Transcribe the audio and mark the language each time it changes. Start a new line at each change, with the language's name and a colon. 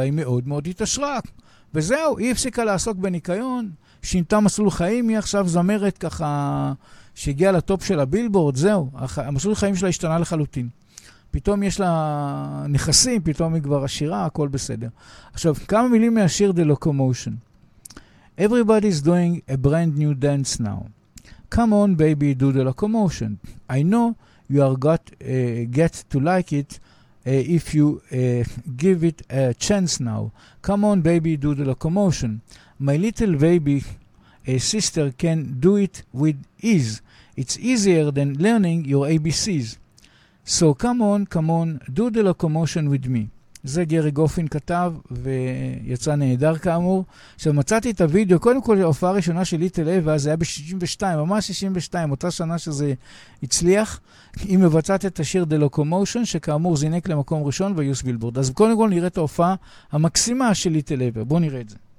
Hebrew: היא מאוד מאוד התעשרה. וזהו, היא הפסיקה לעסוק בניקיון, שינתה מסלול חיים, היא עכשיו זמרת ככה, שהגיעה לטופ של הבילבורד, זהו, המסלול חיים שלה השתנה לחלוטין. פתאום יש לה נכסים, פתאום היא כבר עשירה, הכל בסדר. עכשיו, כמה מילים מהשיר The Locomotion.
English: Everybody's doing a brand new dance now. Come on, baby, do the locomotion. I know you are got get to like it if you give it a chance now. Come on, baby, do the locomotion. My little baby sister can do it with ease. It's easier than learning your ABCs. So come on, do the locomotion with me.
Hebrew: זה גרי גופין כתב, ויצא נהדר כאמור. עכשיו מצאתי את הוידאו, קודם כל הופעה ראשונה של ליטל אבה, זה היה ב-62, ממש 62, אותה שנה שזה הצליח, היא מבצעת את השיר The Locomotion, שכאמור זינק למקום ראשון ויוס בילבורד. אז קודם כל נראה את ההופעה המקסימה של ליטל אבה, בואו נראה את זה.